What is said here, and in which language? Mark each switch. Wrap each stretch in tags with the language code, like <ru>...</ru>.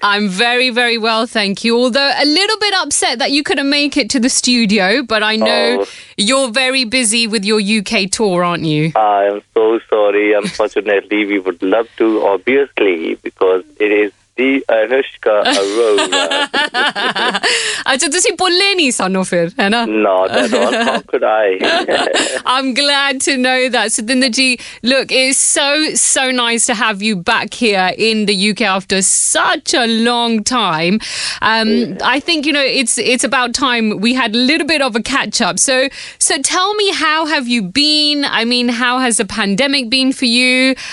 <en>I'm very, very well, thank you. Although a little bit upset that you couldn't make it to the studio, but I know you're very busy with your UK tour, aren't you? I'm so sorry. Unfortunately, we would love to, obviously, because it is the Anushka Arora.</en> <pa>ਅੱਛਾ, ਤੁਸੀ ਬੋਲੇ ਨਹੀ ਸਾਨੂੰ ਫਿਰ, ਹੈ ਨਾ?</pa> <en>No, not at all. How could I? I'm glad to know that. Satinder ji, look, it's so, so nice to have you back here in the UK after such a long time. I think, you know, it's about time we had a little bit of a catch up. So tell me, how have you been? I mean, how has the pandemic been for you?</en>